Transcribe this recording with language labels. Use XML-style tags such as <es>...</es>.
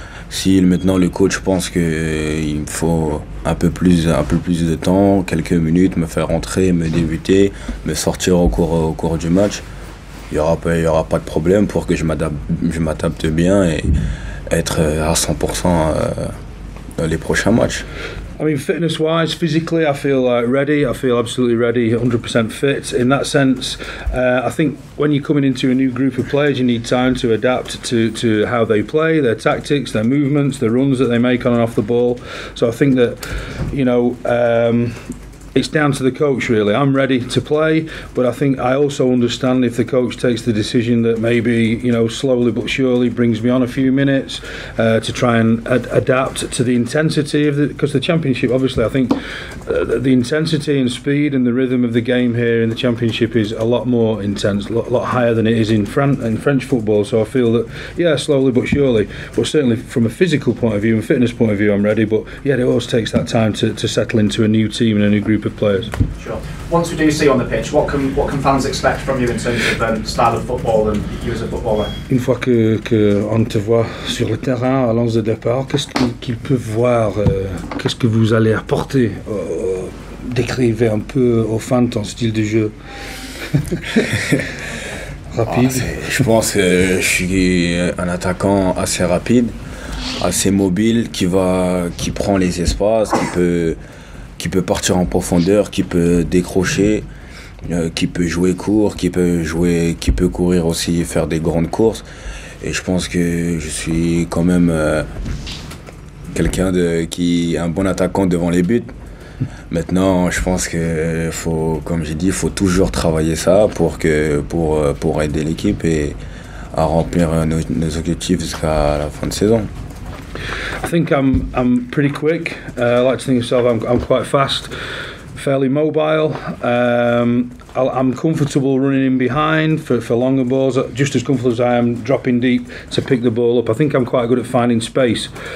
<fr>Si maintenant le coach pense qu'il me faut un peu plus de temps, quelques minutes, me faire rentrer, me débuter, me sortir au cours du match, il n'y aura pas de problème pour que je m'adapte bien et être à 100% dans les prochains matchs.</fr> <en>I mean, fitness-wise, physically, I feel ready. I feel absolutely ready, 100% fit. In that sense, I think when you're coming into a new group of players, you need time to adapt to how they play, their tactics, their movements, the runs that they make on and off the ball. So I think that, you know, it's down to the coach, really. I'm ready to play, but I think I also understand if the coach takes the decision that maybe, you know, slowly but surely brings me on a few minutes to try and adapt to the intensity of the championship. Obviously, I think the intensity and speed and the rhythm of the game here in the championship is a lot more intense, a lot higher than it is in French football. So I feel that, yeah, slowly but surely, but certainly from a physical point of view and fitness point of view, I'm ready. But yeah, it always takes that time to settle into a new team and a new group of players. Sure. Once we do see you on the pitch, what can fans expect from you in terms of style of football and you as a footballer?</en> <fr>Une fois qu'on te voit sur le terrain à l'once de départ, qu'est-ce qu'ils peuvent voir, qu'est-ce que vous allez apporter, décrivez un peu aux fans ton style de jeu. Rapide. Je pense que je suis un attaquant assez rapide, assez mobile, qui prend les espaces, qui peut partir en profondeur, qui peut décrocher, qui peut jouer court, qui peut courir aussi, faire des grandes courses. Et je pense que je suis quand même quelqu'un qui est un bon attaquant devant les buts. Maintenant, je pense que faut, comme j'ai dit, faut toujours travailler ça pour aider l'équipe et à remplir nos objectifs jusqu'à la fin de saison.</fr> <en>I think I'm pretty quick. I like to think of myself I'm quite fast, fairly mobile. I'm comfortable running in behind for longer balls, just as comfortable as I am dropping deep to pick the ball up. I think I'm quite good at finding space.</en>